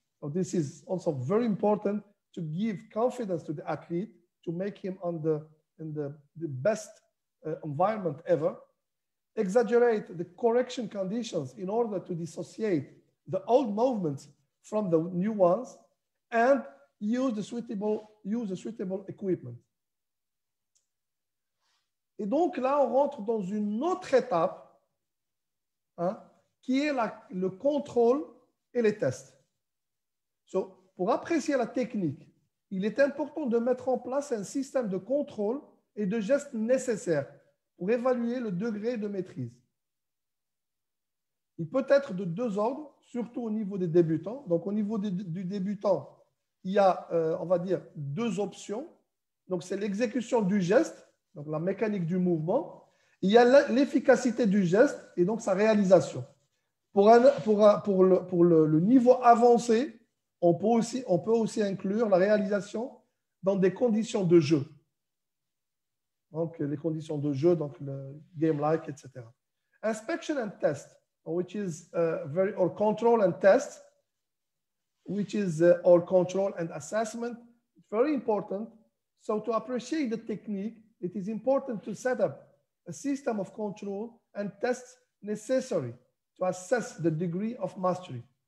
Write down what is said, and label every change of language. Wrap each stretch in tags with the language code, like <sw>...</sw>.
<en>So this is also very important to give confidence to the athlete to make him in the best environment ever. Exaggerate the correction conditions in order to dissociate the old movements from the new ones and use the suitable equipment.</en> <fr>Et donc là, on rentre dans une autre étape, hein, qui est le contrôle et les tests. So, pour apprécier la technique, il est important de mettre en place un système de contrôle et de gestes nécessaires pour évaluer le degré de maîtrise. Il peut être de deux ordres, surtout au niveau des débutants. Donc, au niveau du débutant, il y a, on va dire, deux options. Donc, c'est l'exécution du geste, donc la mécanique du mouvement. Il y a l'efficacité du geste et donc sa réalisation. Pour le niveau avancé, on peut aussi inclure la réalisation dans des conditions de jeu. Donc, les conditions de jeu, donc le game-like, etc.</fr> <en>Inspection and test, which is very, or control and test, which is or control and assessment, very important. So to appreciate the technique, it is important to set up a system of control and tests necessary to assess the degree of mastery.</en>